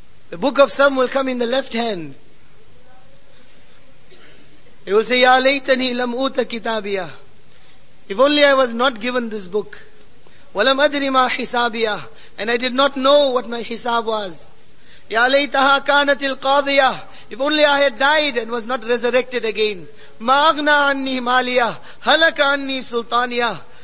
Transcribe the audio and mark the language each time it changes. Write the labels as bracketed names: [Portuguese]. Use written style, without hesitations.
[English] The book of some will come in the left hand. He will say, [Arabic] يا ليتني لم أوت كتابيا. [English] If only I was not given this book. [Arabic] ولم أدري ما حسابيا. [English] And I did not know what my hisab was. [Arabic] يا ليتها كانت القاضية. [English] If only I had died and was not resurrected again. [Arabic] مَا أَغْنَى عَنِّي مَالِيَهْ هَلَكَ عَنِّي سُلْطَانِيَهْ.